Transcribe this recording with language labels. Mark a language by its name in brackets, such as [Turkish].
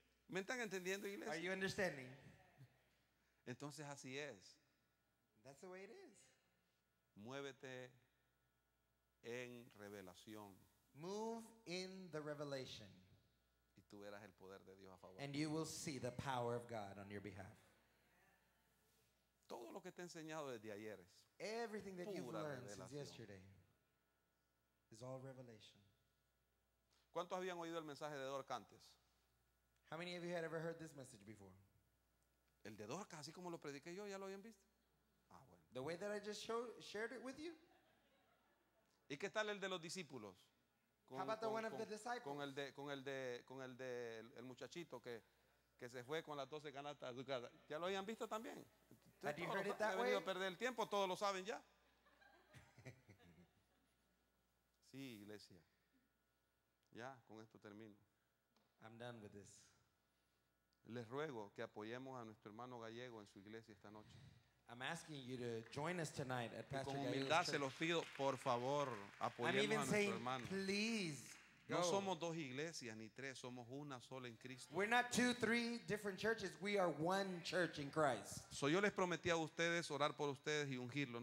[Spanish] ¿Me están entendiendo, iglesia? [English] Are you understanding? [Spanish] Entonces así es. [English] That's the way it is. [Spanish] Muévete en revelación. [English] Move in the revelation. [Spanish] Y tú verás el poder de Dios a favor. [English] And you will see the power of God on your behalf. [Spanish] Todo lo que te he enseñado desde ayer es [English] everything that [Spanish] pura [English] you've learned [Spanish] revelación. [English] Since yesterday is all revelation. [Spanish] ¿Cuántos habían oído el mensaje de Dorcas? [English] How many of you had ever heard this message before? [Spanish] El de Dorcas, así como lo prediqué yo, ¿ya lo habían visto? Ah, bueno. [English] The way that I just shared it with you. [Spanish] ¿Y qué tal el de los discípulos? [English] How about the one of the disciples? [Spanish] Con el muchachito que se fue con las 12 canastas a su casa. ¿Ya lo habían visto también? [English] Have you heard it that way? [Spanish] He venido a perder el tiempo, todos lo saben ya. Sí, iglesia. Ya, con esto termino. [English] I'm done with this. [Spanish] Les ruego que apoyemos a nuestro hermano gallego en su iglesia esta noche. [English] I'm asking you to join us tonight at Pastor Gallego's church. [Spanish] Con humildad se los pido, por favor, apoyemos a nuestro [English] hermano. I'm even saying, please, go. [Spanish] No somos dos iglesias ni tres, somos una sola en Cristo. [English] We're not two, three different churches. We are one church in Christ. [Spanish] So yo les prometí a ustedes orar por ustedes y ungirlos.